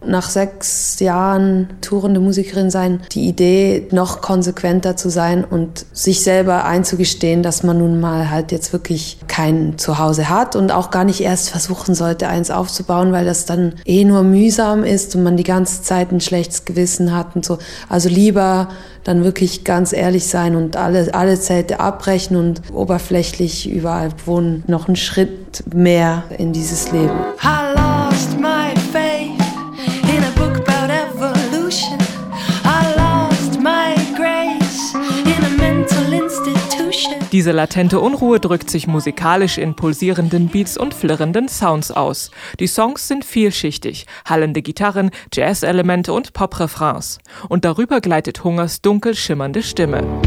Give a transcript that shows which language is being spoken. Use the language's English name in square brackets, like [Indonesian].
[German] Nach 6 Jahren tourende Musikerin sein, die Idee, noch konsequenter zu sein und sich selber einzugestehen, dass man nun mal halt jetzt wirklich kein Zuhause hat und auch gar nicht erst versuchen sollte, eins aufzubauen, weil das dann eh nur mühsam ist und man die ganze Zeit ein schlechtes Gewissen hat und so. Also lieber dann wirklich ganz ehrlich sein und alle Zelte abbrechen und oberflächlich überall wohnen, noch einen Schritt mehr in dieses Leben. [English] I lost my faith in a book about evolution. I lost my grace in a mental institution. [German] Diese latente Unruhe drückt sich musikalisch in pulsierenden Beats und flirrenden Sounds aus. Die Songs sind vielschichtig, hallende Gitarren, Jazz-Elemente und Pop-Refrains. Und darüber gleitet Hungers dunkel schimmernde Stimme.